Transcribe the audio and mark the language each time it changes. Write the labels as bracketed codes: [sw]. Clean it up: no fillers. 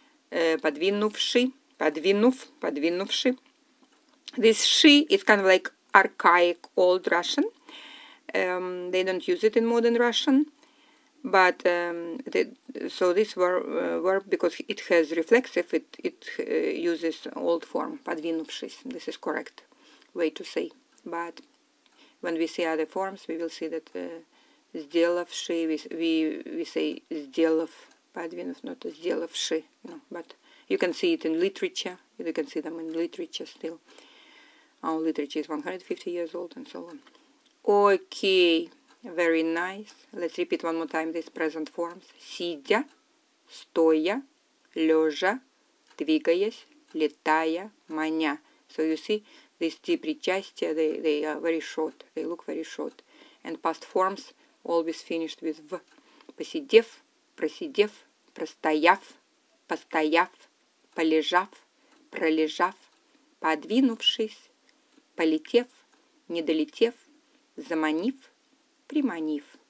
[ru] Подвинувши, подвинув, подвинувши. [en] This ши is kind of like archaic old Russian. They don't use it in modern Russian. But this verb, because it has reflexive, it uses old form, подвинувшись. This is correct way to say. But when we see other forms, we will see that сделавши, we say сделав, подвинув, not сделавши. No, but you can see it in literature. You can see them in literature still. Our literature is 150 years old and so on. Okay. Very nice. Let's repeat one more time these present forms. [ru] Сидя, стоя, лежа, двигаясь, летая, маня. [en] So you see, these деепричастия, they are very short. They look very short. And past forms always finished with в. [ru] Посидев, просидев, простояв, постояв, полежав, пролежав, подвинувшись, полетев, не долетев, заманив, приманив.